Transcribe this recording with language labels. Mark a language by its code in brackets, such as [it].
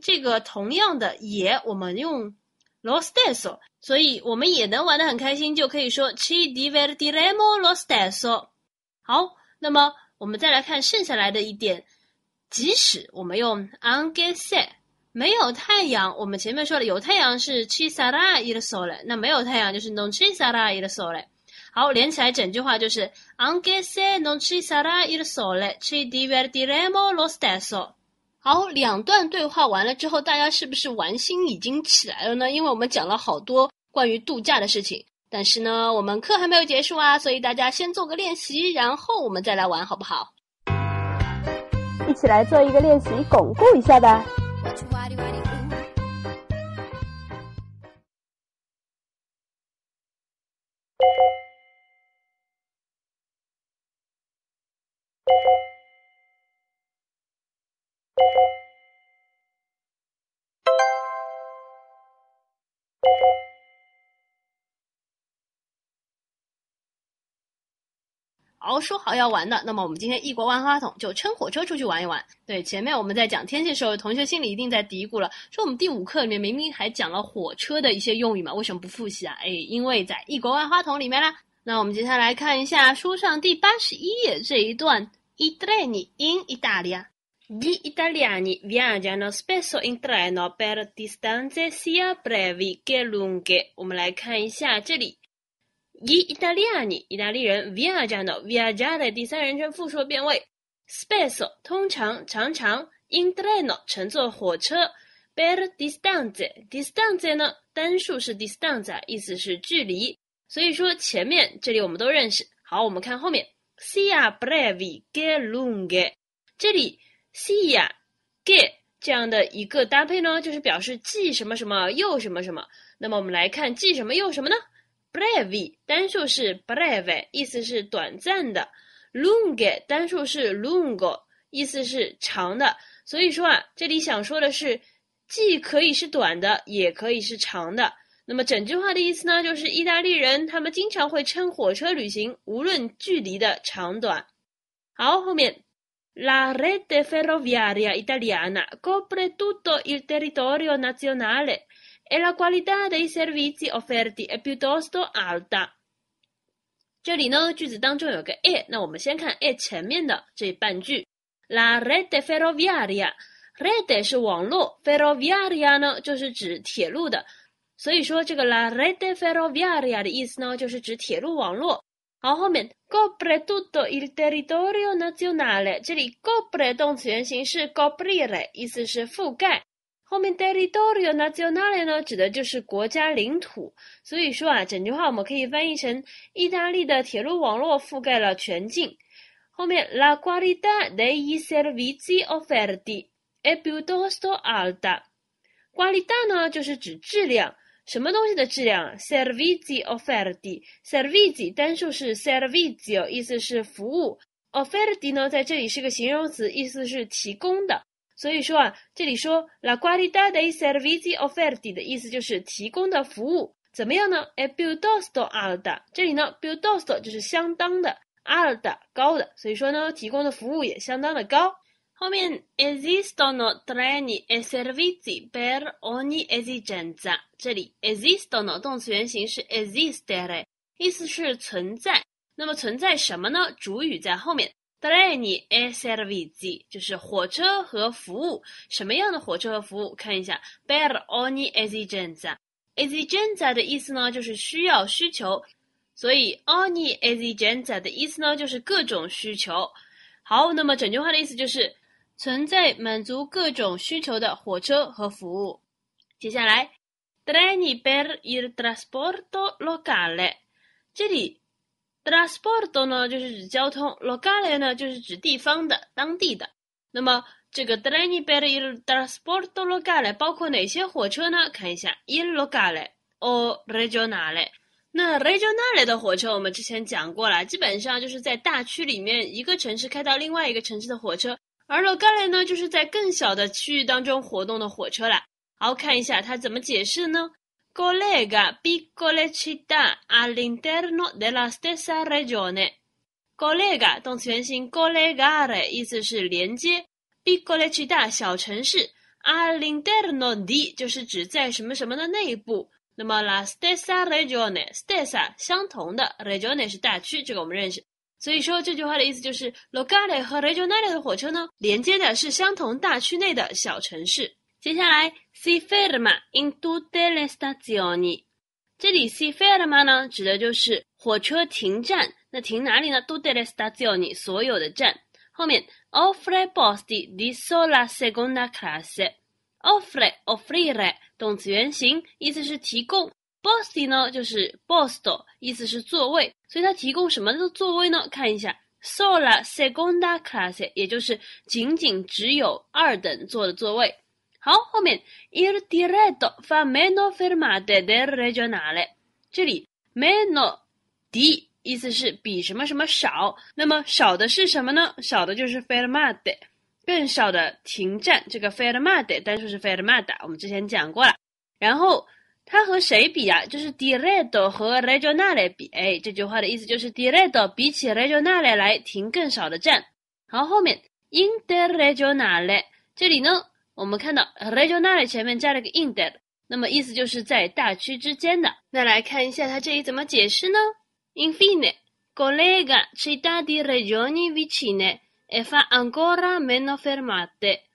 [zh] 这个同样的也，我们用 [it] lo stesso， [zh] 所以我们也能玩得很开心，就可以说 [it] ci divertiremo lo stesso。 [zh] 好，那么我们再来看剩下来的一点，即使我们用 [it] anche se。 [zh] 没有太阳，我们前面说了，有太阳是 [it] ci sarà il sole， [zh] 那没有太阳就是 [it] non ci sarà il sole。 [zh] 好，连起来整句话就是 [it] anche se non ci sarà il sole, ci divertiremo lo stesso。 [zh] 好，两段对话完了之后，大家是不是玩心已经起来了呢？因为我们讲了好多关于度假的事情，但是呢，我们课还没有结束啊，所以大家先做个练习，然后我们再来玩，好不好？一起来做一个练习，巩固一下吧。好，说好要玩的，那么我们今天异国万花筒就撑火车出去玩一玩。对，前面我们在讲天气的时候，同学心里一定在嘀咕了，说我们第五课里面明明还讲了火车的一些用语嘛，为什么不复习啊？哎，因为在异国万花筒里面啦。那我们接下来看一下书上第81页这一段： [it] I treni in Italia, gli italiani viaggiano spesso in treno per distanze sia brevi che lunghe。 [zh] 我们来看一下这里。 [it] gli italiani [zh] 意大利人 viaggiano viaggiare 第三人称复数变位 spesso 通常常常 [it] in treno [zh] 乘坐火车 [it] per distanze [zh] distanze 呢单数是 distanza 意思是距离，所以说前面这里我们都认识。好，我们看后面 [it] sia brevi che lunghe， [zh] 这里 sia che 这样的一个搭配呢，就是表示既什么什么又什么什么。那么我们来看既什么又什么呢？brevi 单数是 breve， 意思是短暂的 ；lunghe 单数是 lungo， 意思是长的。所以说啊，这里想说的是，既可以是短的，也可以是长的。那么整句话的意思呢，就是意大利人他们经常会乘火车旅行，无论距离的长短。好，后面 [it] la rete ferroviaria italiana copre tutto il territorio nazionale。 e la qualità dei servizi offerti è piuttosto alta。 [zh] 这里呢，句子当中有个 e， 那我们先看 e 前面的这半句。 [it] La rete ferroviaria， [zh] rete 是网络，ferroviaria 呢就是指铁路的，所以说，这个 [it] la rete ferroviaria [zh] 的意思呢，就是指铁路网络。好，后面 [it] copre tutto il territorio nazionale， [zh] 这里 copre 动词原形是 coprire，意思是覆盖。后面 [it] territorio nazionale [zh] 呢，指的就是国家领土。所以说啊，整句话我们可以翻译成意大利的铁路网络覆盖了全境。后面 [it] la qualità dei servizi offerti è piuttosto alta。 [zh] qualità 呢，就是指质量。什么东西的质量？ [it] servizi offerti [zh] servizi 单数是 servizio，意思是服务。 offerti 呢，在这里是个形容词，意思是提供的。所以说啊，这里说 [it] la qualità dei servizi offerti [zh] 的意思就是提供的服务。怎么样呢？ [it] è piuttosto alta。 [zh] 这里呢，piuttosto 就是相当的，alta 高的，所以说呢，提供的服务也相当的高。后面 [it] esistono treni e servizi per ogni esigenza。 [zh] 这里 esistono 动词原形是 esistere，意思是存在。那么存在什么呢？主语在后面 [it] treni e servizi [zh] 就是火车和服务。什么样的火车和服务？看一下 [it] per ogni esigenza。 [zh] esigenza 的意思呢，就是需要、需求。所以 [it] ogni esigenza [zh] 的意思呢，就是各种需求。好，那么整句话的意思就是。存在满足各种需求的火车和服务。接下来 [it] treni per il trasporto locale， [zh] 这里 trasporto 呢就是指交通， locale 呢就是指地方的、当地的。那么这个 [it] treni per il trasporto locale [zh] 包括哪些火车呢？看一下 [it] il locale o regionale。 [zh] 那 regionale 的火车我们之前讲过了，基本上就是在大区里面一个城市开到另外一个城市的火车。而 locale 呢，就是在更小的区域当中活动的火车啦。好，看一下它怎么解释呢 ？ [it] Collega piccole città all'interno della stessa regione。 [zh] Collega 动词原形 collegare 意思是连接 ， [it] piccole città [zh] 小城市 [it] all'interno di [zh] 就是指在什么什么的内部。那么 [it] la stessa regione stessa [zh] 相同的 regione 是大区，这个我们认识。所以说这句话的意思就是 locale 和 regionale 的火车呢，连接的是相同大区内的小城市。接下来 [it] si ferma in tutte le stazioni， [zh] 这里 [it] si ferma [zh] 呢，指的就是火车停站。那停哪里呢？ [it] tutte le stazioni [zh] 所有的站。 后面 [it] offre posti di sola seconda classe， [zh] offre offrire 动词原形，意思是提供。 posti 呢就是 posto， 意思是座位，所以它提供什么的座位呢？看一下 [it] sola seconda classe， [zh] 也就是仅仅只有二等座的座位。好，后面 [it] il diretto fa meno fermate del regionale， [zh] 这里 [it] meno di [zh] 意思是比什么什么少，那么少的是什么呢？少的就是 fermate， 更少的停站。这个 fermate 单数是 fermata， 我们之前讲过了。然后它和谁比啊？就是 diretto 和 regionale 比。哎，这句话的意思就是 diretto 比起 regionale 来停更少的站。好，后面 interregionale， 这里呢我们看到 regionale 前面加了个 inter， 那么意思就是在大区之间的。那来看一下它这里怎么解释呢？ [it] infine collega città di regioni vicine e fa ancora meno fermate。